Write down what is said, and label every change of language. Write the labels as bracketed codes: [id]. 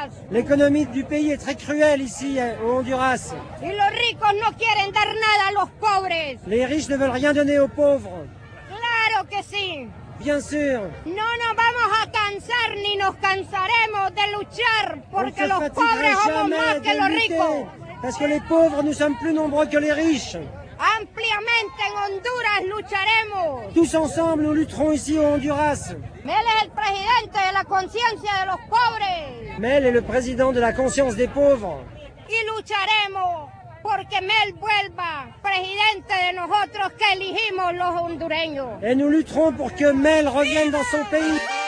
[fr] L'économie du pays est très cruelle ici, au Honduras. [es] Y los ricos no quieren dar nada a los pobres. [fr] Les riches ne veulent rien donner aux pauvres. [es] Claro que sí. [fr] Bien sûr. [es] No nos vamos a cansar ni nos cansaremos de luchar porque los pobres somos más que los ricos. [fr] Parce que les pauvres, nous sommes plus nombreux que les riches. [es] Ampliamente en Honduras lucharemos. [fr] Tous ensemble, nous lutterons ici au Honduras. [es] Mel es el presidente de la conciencia de los pobres. [fr] Mel est le président de la conscience des pauvres. [es] Y lucharemos porque Mel vuelva presidente de nosotros que elegimos los hondureños. [fr] Et nous lutterons pour que Mel revienne dans son pays.